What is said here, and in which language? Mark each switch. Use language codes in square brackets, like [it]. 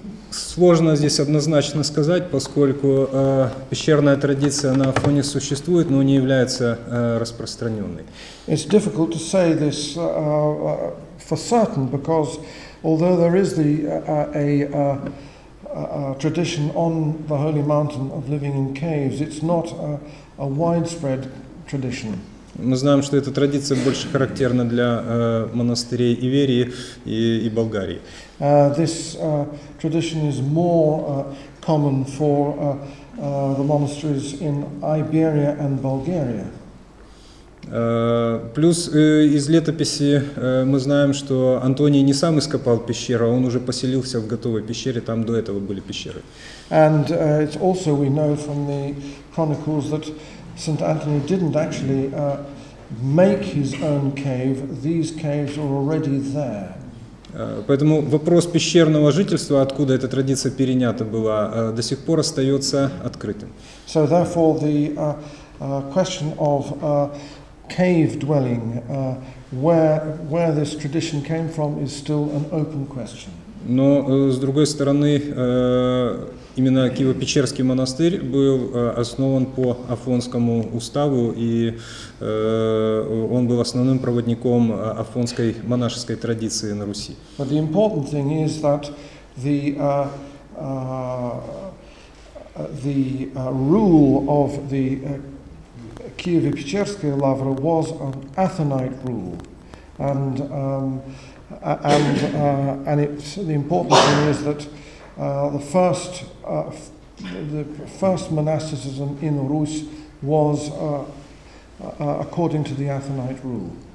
[ru] Сложно здесь однозначно сказать, поскольку пещерная традиция на Афоне существует, но не является распространенной. [en] It's difficult to say this for certain, because although there is the a tradition on the holy mountain of living in caves, it's not a widespread tradition. [ru] Мы знаем, что эта традиция больше характерна для монастырей Иверии и Болгарии. [en] This tradition is more common for the monasteries in Iberia and Bulgaria. [ru] Плюс из летописи мы знаем, что Антоний не сам ископал пещеру, он уже поселился в готовой пещере, там до этого были пещеры. [en] And it's also we know from the chronicles that St. Anthony didn't actually make his own cave. These caves are already there. [ru] Поэтому вопрос пещерного жительства, откуда эта традиция перенята была, до сих пор остается открытым. [en] So therefore, the question of cave dwelling, where this tradition came from, is still an open question. [ru] Но с другой стороны, именно Киево-Печерский монастырь был основан по Афонскому уставу, и он был основным проводником афонской монашеской традиции на Руси. [en] But the important thing is that the rule of the Киево-Печерская лавра was an Athonite rule, and the important thing is that the first monasticism in Rus was according to the Athonite rule.